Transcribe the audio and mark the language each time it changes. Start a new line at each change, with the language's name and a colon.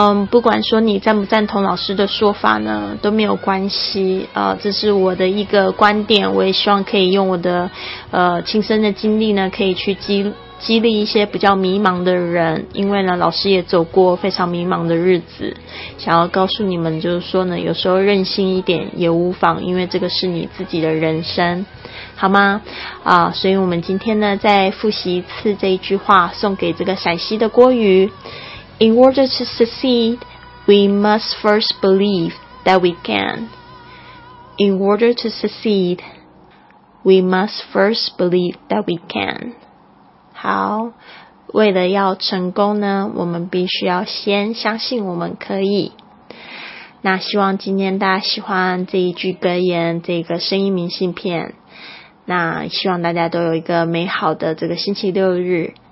Chinese: 不管说你赞不赞同老师的说法呢都没有关系，这是我的一个观点，我也希望可以用我的亲身的经历呢可以去激励一些比较迷茫的人，因为呢老师也走过非常迷茫的日子，想要告诉你们就是说呢，有时候任性一点也无妨，因为这个是你自己的人生，好吗？所以我们今天呢再复习一次这一句话，送给这个陕西的郭宇。
English: In order to succeed, we must first believe that we can. In order to succeed, we must first believe that we can.
Chinese: 好，为了要成功呢，我们必须要先相信我们可以。那希望今天大家喜欢这一句格言，这个声音明信片。那希望大家都有一个美好的这个星期六日。